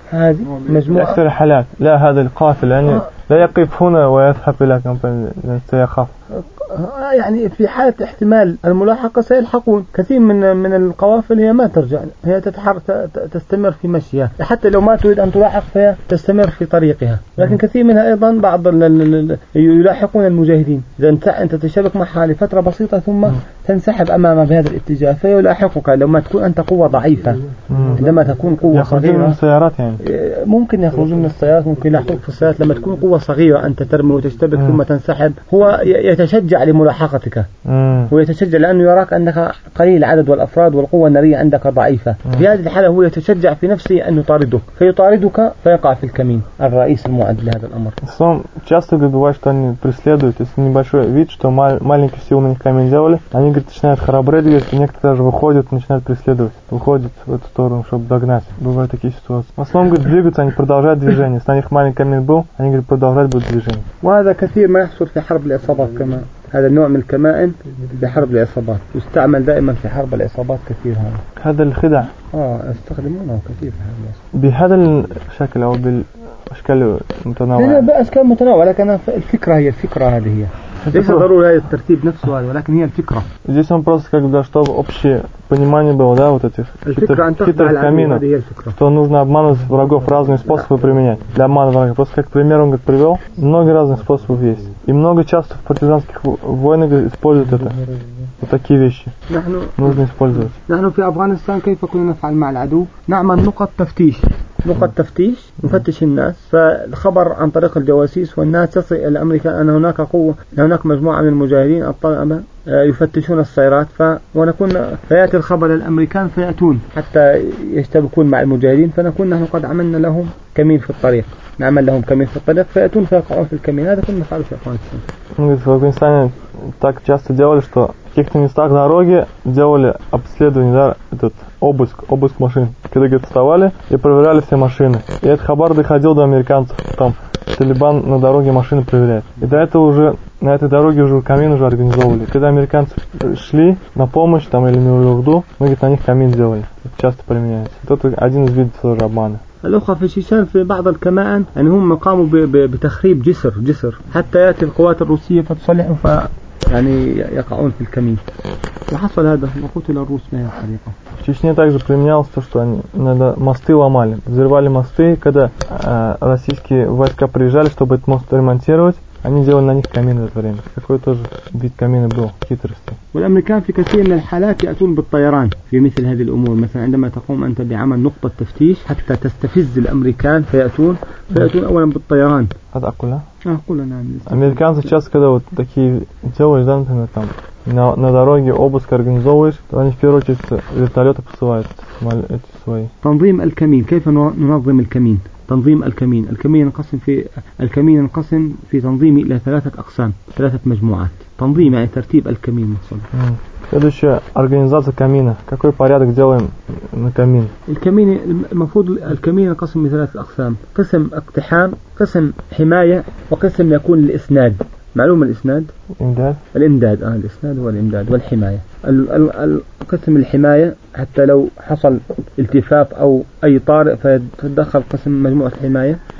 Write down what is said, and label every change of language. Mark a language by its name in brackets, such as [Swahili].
[Arabic] Ахсер халяк. Ля хадаль кафель. Они ля якиф хуна ва ясхаб ля кампан. Сяхаф. يعني في حالة احتمال الملاحقة سيلحقون. كثير من القوافل هي ما ترجع، هي تتحرك تستمر في مشيها، حتى لو ما تريد أن تلاحق فيها تستمر في طريقها. لكن كثير منها أيضا بعض يلاحقون المجاهدين، إذا أنت تشبك معها لفترة بسيطة ثم تنسحب أمامها بهذا الاتجاه فيلاحقك. لو ما تكون أنت قوة ضعيفة، عندما تكون قوة صغيرة يخرجون من السيارات، يعني ممكن يخرجون من السيارات، ممكن يلاحقوك في السيارات. لما تكون قوة صغيرة أنت ترمي وتشتبك ثم تنسحب، هو يتشجع لملاحقتك ويتشجع لأنه يراك أنك قليل العدد والأفراد والقوة النارية عندك ضعيفة. في هذه الحالة هو يتشجع في نفسه أن يطاردك، فيطاردك فيقع في الكمين الرئيسي المعد لهذا الأمر. [Russian] Сам часто говорят, что они преследуют, если небольшой вид, что маленький сил на них камень сделали, они говорят, начинают храбро двигаться, некоторые даже выходят, начинают преследовать, выходят в эту сторону, чтобы догнать. Бывают такие ситуации. В основном говорят, двигаются, они продолжают движение. Если на них маленький камень был, они говорят, продолжать будут движение. [Arabic] وهذا كثير ما يحصل في حرب الإصابات كمان. هذا النوع من الكمائن بحرب العصابات يستعمل دائما في حرب العصابات كثير. هذا الخدع استخدمونه كثير بهذا الشكل او بالاشكال المتنوعه. هنا باشكال متنوعه، لكن الفكره هي الفكره هذه هي ليس ضروري هذا الترتيب نفسه هذا، ولكن هي الفكره. [Russian] Здесь он просто как бы чтобы общее понимание было, да, вот этих хитрых каминов, что нужно обманывать врагов, разные способы применять для обмана врага. Просто как пример он как привел, много разных способов есть. И много часто в партизанских войнах используют это. Вот такие вещи нужно использовать. [Arabic] نحن في افغانستان كيف كنا نفعل مع العدو؟ نعمل نقط تفتيش. نقط تفتيش نفتش الناس، فالخبر عن طريق الجواسيس والناس يصل الى امريكا ان هناك قوه، هناك مجموعه من المجاهدين الطلبة يفتشون السيارات، ونكون فياتي الخبر الامريكان فياتون حتى يشتبكون مع المجاهدين، فنكون نحن قد عملنا لهم كمين في الطريق، نعمل لهم كمين في الطريق فياتون فيقعون في الكمين. هذا كنا نفعله في افغانستان. [Russian] Так часто делали, что в каких-то местах дороги делали обследование, да, этот обыск машин. Когда, говорит, вставали и проверяли все машины. И этот хабар доходил до американцев, там талибан на дороге машины проверяет. И до этого уже на этой дороге уже камин уже организовывали. Когда американцы шли на помощь там или на Урду, мы, говорит, на них камин делали. Это часто применяется. Это один из видов тоже обмана. [Arabic] الأخوة في شيشان في بعض الكمائن يعني هم قاموا بتخريب جسر حتى يأتي القوات الروسية فتصلحوا يعني يقعون في الكمين. وحصل هذا وقتل الروس بها الحريقة. [Russian] В Чечне также применялось то, что они иногда мосты ломали, взрывали мосты, когда российские войска приезжали, чтобы этот мост ремонтировать, Они делали на них камин в это время. Какой тоже вид камина был, хитрости. [Arabic] والأمريكان في كثير من الحالات يأتون بالطيران في مثل هذه الأمور. مثلا عندما تقوم أنت بعمل نقطة تفتيش حتى تستفز الأمريكان فيأتون أولا بالطيران. هذا أقوله؟ أقوله نعم. الأمريكان [Russian] сейчас когда вот такие делаешь, да, например, там на дороге обыск организовываешь, то они в первую очередь вертолеты посылают эти свои. [Arabic] تنظيم الكمين. كيف ننظم الكمين؟ تنظيم الكمين. الكمين انقسم في تنظيمه إلى ثلاثة أقسام، ثلاثة مجموعات. تنظيم يعني ترتيب الكمين مثلا. [Russian] Следующая организация камина. Какой порядок делаем на камин? [Arabic] الكمين المفروض الكمين انقسم إلى ثلاثة أقسام. قسم اقتحام، قسم حماية، وقسم يكون الإسناد. معلوم الإسناد؟ إمداد. الإمداد. الإسناد هو الإمداد والحماية. قسم الحماية حتى لو حصل التفاف أو أي طارئ فتدخل قسم مجموعة الحماية.